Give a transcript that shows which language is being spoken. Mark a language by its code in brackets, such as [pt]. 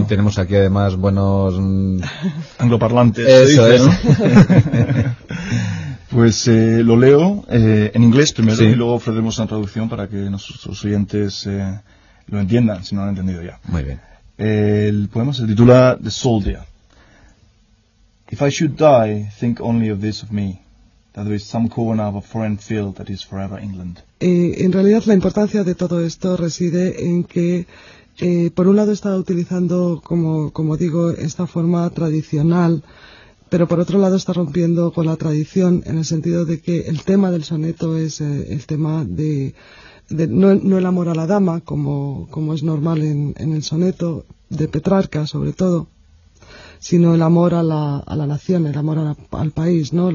[es] Y tenemos aquí además buenos... angloparlantes. Eso es. Pues lo leo en inglés primero, sí. Y luego ofreceremos una traducción para que nuestros oyentes lo entiendan, si no lo han entendido ya. Muy bien. El poema se titula The Soldier. [en] If I should die, think only of this of me, that there is some corner of a foreign field that is forever England. [es] En realidad la importancia de todo esto reside en que, por un lado, estaba utilizando, como digo, esta forma tradicional, pero por otro lado está rompiendo con la tradición en el sentido de que el tema del soneto es el tema de no el amor a la dama, como es normal en el soneto de Petrarca, sobre todo, sino el amor a la nación, el amor al país, ¿no?